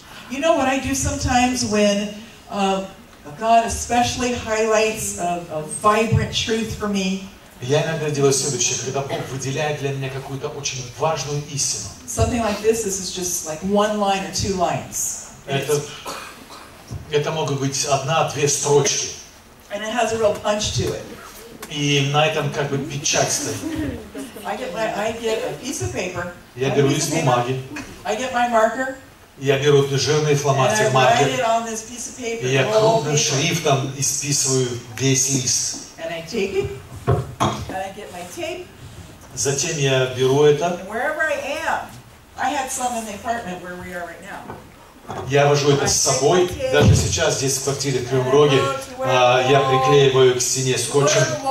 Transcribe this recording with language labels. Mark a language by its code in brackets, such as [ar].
[en] You know what I do sometimes when God especially highlights a vibrant truth for me. [ru] Я иногда делаю следующее, когда Бог выделяет для меня какую-то очень важную истину. [en] Something like this, this is just like one line or two lines. [ru] Это могут быть одна-две строчки. [en] And it has a real punch to it. [ru] И на этом как бы печать стоит. [en] I get a piece of paper. [ru] Я беру лист бумаги. [en] I get my marker. [ru] Я беру жирный фломастер маркер. [en] And I write it on this piece of paper. [ru] И я крупным шрифтом исписываю весь лист. [en] And I take it. And I get my tape. [ru] Затем я беру это. [en] And wherever I am, I had some in the apartment where we are right now. [ru] Я вожу это с собой, даже сейчас здесь в квартире в Кривом Роге, я приклеиваю к стене скотчем.